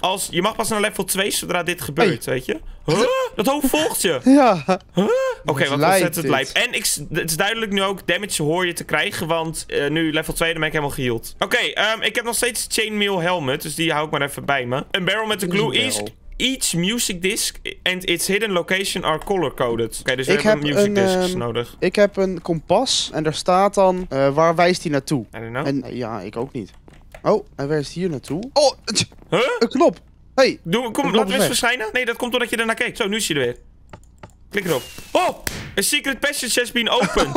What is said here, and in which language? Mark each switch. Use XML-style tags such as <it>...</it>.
<nl>Als, je mag pas naar level 2 zodra dit gebeurt, weet je? Huh? Dat hoofd volgt je. Ja. Huh? Oké, wat ontzettend het lijp. En het is duidelijk nu ook damage hoor je te krijgen, want nu level 2, dan ben ik helemaal geheeld. Oké, ik heb nog steeds chainmail helmet, dus die hou ik maar even bij me. Een barrel met de glue is...</nl> <en>Each music disc and its hidden location are color-coded.</en> <nl>Oké, dus we hebben music discs nodig. Ik heb een kompas en daar staat dan... waar wijst die naartoe?</nl> <en>I don't know.</en> <nl>En, ja, ik ook niet. Oh, hij wijst hier naartoe. Oh, Een knop. Hey, laat het eens verschijnen. Nee, dat komt doordat je ernaar kijkt. Zo, nu is hij er weer. Klik erop.</nl> <en>Oh! A secret passage has been opened.</en>